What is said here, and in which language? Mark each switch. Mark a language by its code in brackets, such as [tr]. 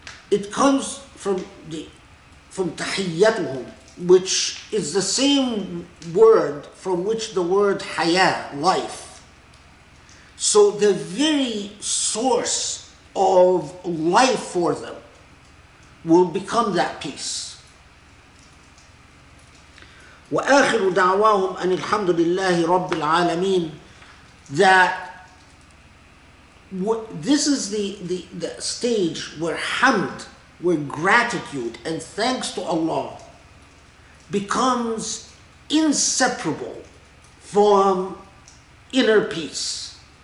[en] It comes from the from تَحِيَّتُهُمْ, which is the same word from which the word حياة, life. So the very source of life for them will become that peace. [ar] وآخر دعواهم أن الحمد لله رب العالمين. [en] That this is the stage where hamd, where gratitude and thanks to Allah becomes inseparable from inner peace.